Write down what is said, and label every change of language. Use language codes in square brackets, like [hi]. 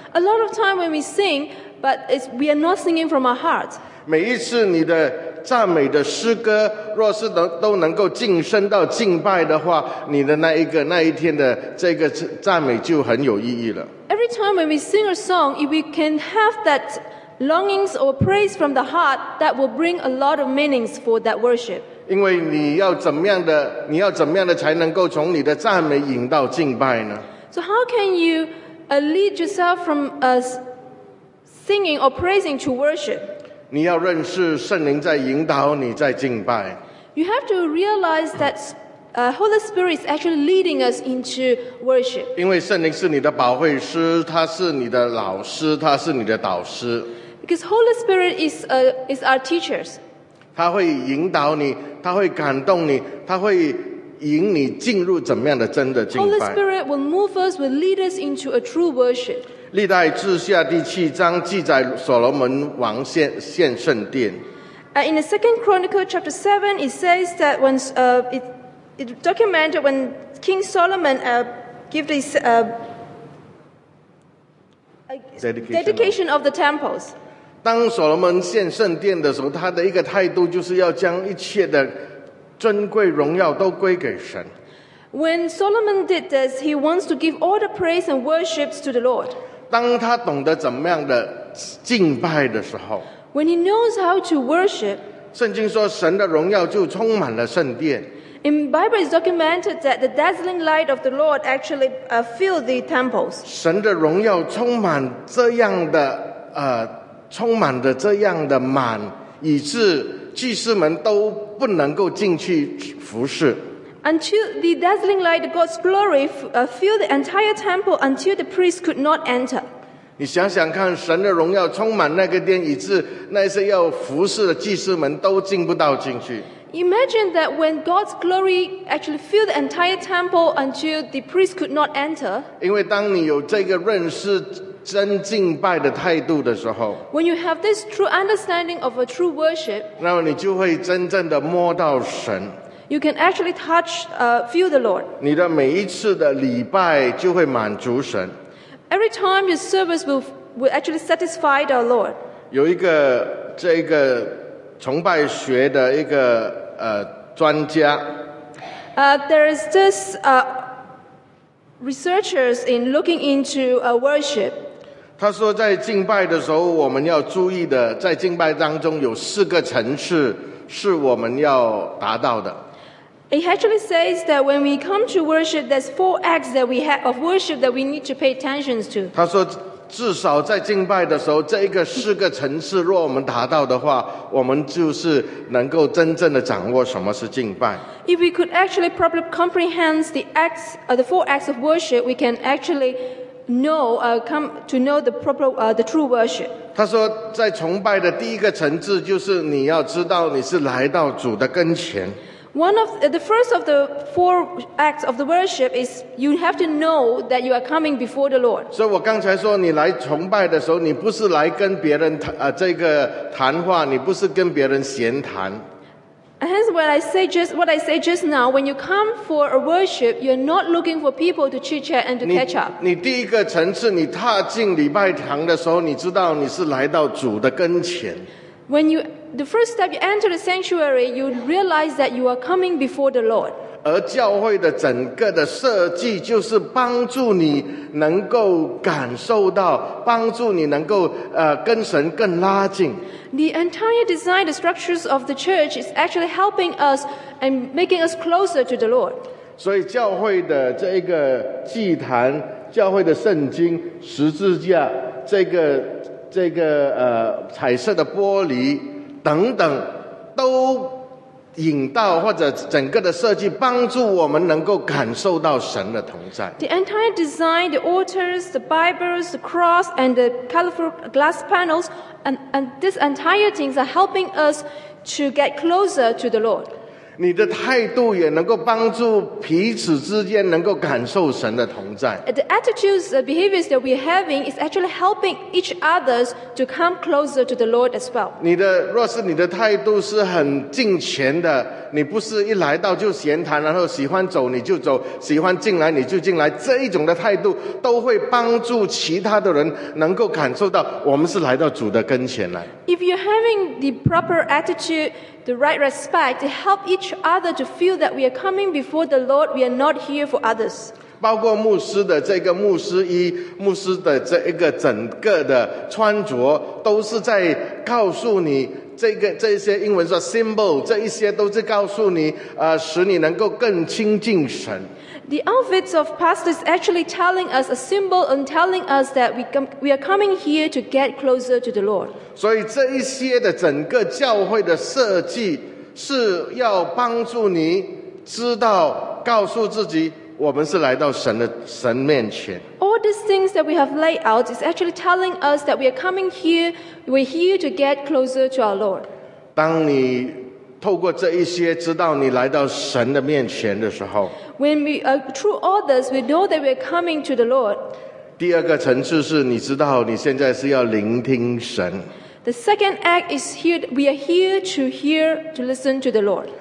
[en] A lot of time when we sing, but we are not singing from our heart. [zh] 每一次你的赞美的诗歌若是都能够晋升到敬拜的话，你的那一天的这个赞美就很有意义了。 [en] Every time when we sing a song, if we can have that longings or praise from the heart, that will bring a lot of meanings for that worship. [zh] 因为你要怎么样的才能够从你的赞美引到敬拜呢？ [en] So how can you lead yourself from singing or praising to worship? [zh] 你要认识圣灵在引导你在敬拜。 [en] You have to realize that Holy Spirit is actually leading us into worship. [zh] 因为圣灵是你的保惠师，他是你的老师，他是你的导师。 [en] Because Holy Spirit is our teachers. [zh] 他会引导你，他会感动你，他会引你进入怎么样的真的敬拜。 [en] Holy Spirit will move us, will lead us into a true worship. [zh] 历代志下第七章记载所罗门王献圣殿。 [en] In the Second Chronicle chapter 7, it says that when it documented when King Solomon gave this dedication of the temples. [zh] 当所罗门建圣殿的时候，他的一个态度就是要将一切的尊贵荣耀都归给神。 [en] When Solomon did this, he wants to give all the praise and worships to the Lord. [zh] 当他懂得怎么样的敬拜的时候 [en] ，When he knows how to worship, [zh] 圣经说神的荣耀就充满了圣殿。 [en] In Bible, it's documented that the dazzling light of the Lord actually filled the temples. [zh] 神的荣耀充满这样的充满的这样的满，以致祭司们都不能够进去服侍。 [en] Until the dazzling light of God's glory filled the entire temple until the priest could not enter. [zh] 你想想看，神的荣耀充满那个殿，以致那些要服侍的祭司们都进不到进去。 [en] Imagine that when God's glory actually filled the entire temple until the priest could not enter. [zh] 因为当你有这个认识真敬拜的态度的时候 [en] ，When you have this true understanding of a true worship， [zh] 那么你就会真正的摸到神。 [en] You can actually touch, feel the Lord. [zh] 你的每一次的礼拜就会满足神。 [en] Every time your service will actually satisfy our Lord. [zh] 有一个这个崇拜学的一个专家。 [en] There is this researchers in looking into worship. [zh] 他说在敬拜的时候我们要注意的，在敬拜当中有四个层次是我们要达到的。 [en] It actually says that when we come to worship, there's four acts that we have of worship that we need to pay attention to. [zh] 他说，至少在敬拜的时候，这一个四个层次，若我们达到的话，我们就是能够真正的掌握什么是敬拜。 [en] If we could actually properly comprehend the acts, the four acts of worship, we can actually know, come to know the proper, the true worship. [zh] 他说，在崇拜的第一个层次，就是你要知道你是来到主的跟前。 [en] One of the first of the four acts of the worship is you have to know that you are coming before the Lord. [zh] 所以我刚才说你来崇拜的时候，你不是来跟别人这个谈话，你不是跟别人闲谈。 [en] Hence, what I say just now, when you come for a worship, you're not looking for people to chit chat and to catch up. [zh] 你第一个层次，你踏进礼拜堂的时候，你知道你是来到主的跟前。 [en] When you the first step you enter the sanctuary, you realize that you are coming before the Lord. [zh] 而教会的整个的设计就是帮助你能够感受到，帮助你能够跟神更拉近。 [en] The entire design, the structures of the church is actually helping us and making us closer to the Lord. [zh] 所以教会的这个祭坛、教会的圣经、十字架这个彩色的玻璃等等，都引到或者整个的设计帮助我们能够感受到神的同在。 [en] The entire design, the altars, the Bibles, the cross, and the colorful glass panels, and these entire things are helping us to get closer to the Lord. [zh] 你的态度也能够帮助彼此之间能够感受神的同在。 [en] The attitudes, the behaviors that we're having is actually helping each others to come closer to the Lord as well. [zh] 若是你的态度是很敬虔的，你不是一来到就闲谈，然后喜欢走你就走，喜欢进来你就进来，这一种的态度都会帮助其他的人能够感受到我们是来到主的跟前来。 [en] If you're having the proper attitude, the right respect, to help each other to feel that we are coming before the Lord, we are not here for others. [zh] 包括牧师的这个牧师衣，牧师的这一个整个的穿着，都是在告诉你这些英文说 symbol， 这一些都是告诉你，使你能够更亲近神。 [en] The outfits of pastors actually telling us a symbol and telling us that we are coming here to get closer to the Lord. [zh] 所以这一些的整个教会的设计是要帮助你知道，告诉自己我们是来到神面前。 [en] All these things that we have laid out is actually telling us that we are coming here, we're here to get closer to our Lord. [zh] 当你透过这一些知道你来到神的面前的时候， [en] When we are through all this, we know that we're coming to the Lord. [zh] 第二个层次是你知道你现在是要聆听神。 [en] The second act is here, we are here to hear, to listen to the Lord.